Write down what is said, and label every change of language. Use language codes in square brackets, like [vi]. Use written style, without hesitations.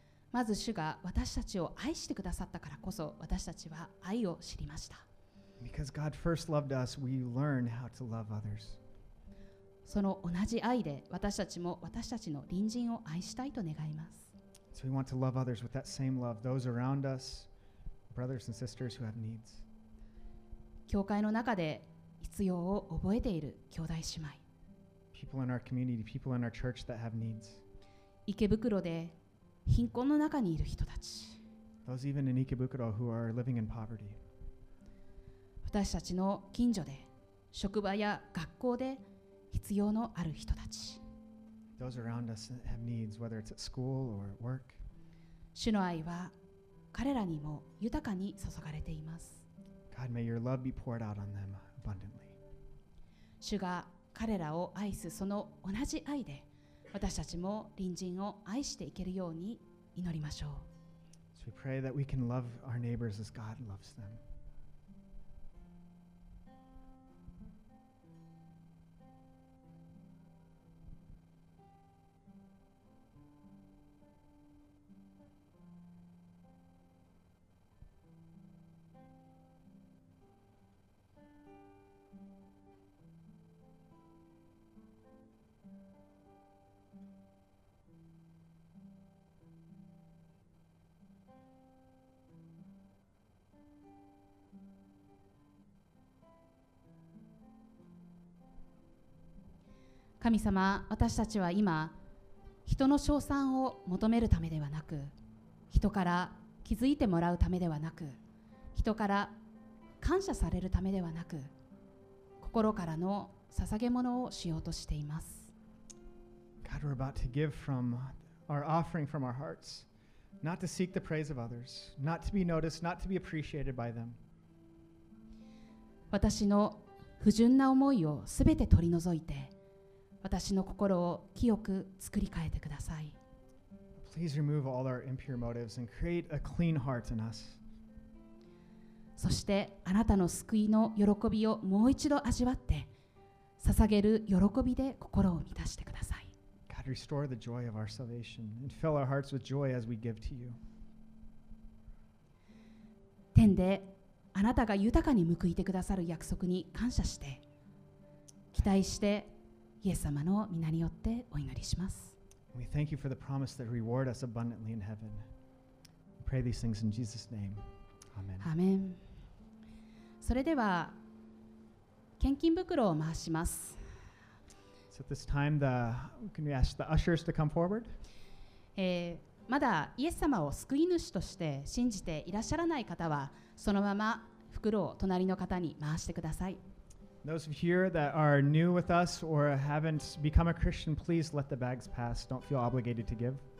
[ja] まず主が私たちを愛してくださったからこそ私たちは愛を知りました。 [en] Because God first loved us, we learn how to love others. [ja] その同じ愛で私たちも私たちの隣人を愛したいと願います。 [en] So we want to love others with that same love, those around us, brothers and sisters who have needs. [ja] 教会の中で必要を覚えている兄弟姉妹。 [en] People in our community, people in our church that have needs. [ja] 池袋で貧困の中にいる人たち。 [en] Those even in Ikebukuro who are living in poverty. [ja] 私たちの近所で、職場や学校で必要のある人たち。 [en] Those around us have needs, whether it's at school or at work. [ja] 主の愛は彼らにも豊かに注がれています。 [en] God, may your love be poured out on them abundantly. [ja] 主が彼らを愛すその同じ愛で、私たちも隣人を愛していけるように祈りましょう。 [en] So we pray that we can love our neighbors as God loves them. Thank you. [ja] 神様、私たちは今、人の称賛を求めるためではなく、人から気づいてもらうためではなく、人から感謝されるためではなく、心からの捧げ物をしようとしています。 [en] God, we're about to give from our offering from our hearts, not to seek the praise of others, not to be noticed, not to be appreciated by them. [ja] 私の不純な思いをすべて取り除いて、私の心を清く作り変えてください。 [en] Please remove all our impure motives and create a clean heart in us. [ja] そしてあなたの救いの喜びをもう一度味わって、捧げる喜びで心を満たしてください。 [en] God, restore the joy of our salvation and fill our hearts with joy as we give to you. [ja] 天であなたが豊かに報いてくださる約束に感謝して、期待して、イエス様の御名によってお祈りします。 [en] We thank you for the promise that reward us abundantly in heaven. Pray these things in Jesus' name. Amen. Amen. [ja] それでは献金袋を回します。 [en] So at this time, can we ask the ushers to come forward? [ja] まだイエス様を救い主として信じていらっしゃらない方は、そのまま袋を隣の方に回してください。 [en] Those here that are new with us or haven't become a Christian, please let the bags pass. Don't feel obligated to give.